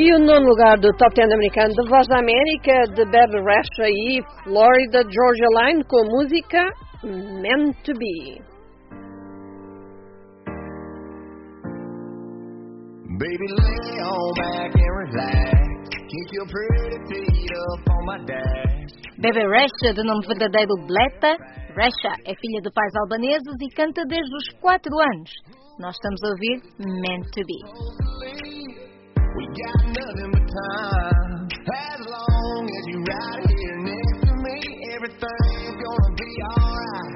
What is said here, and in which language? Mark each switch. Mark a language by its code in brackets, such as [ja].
[pt] E o nono lugar do Top 10 americano da Voz da América, de Bebe Rexha e Florida Georgia Line, com a música Meant to Be. [en] Baby, lay on back and relax. Keep your pretty feet up on my dash. [pt] Bebe Rexha, de nome verdadeiro Bleta. Rexha é filha de pais albaneses e canta desde os 4 anos. Nós estamos a ouvir Meant to Be. [en] We got nothing but time. As long as you ride here next to me, everything's gonna be alright.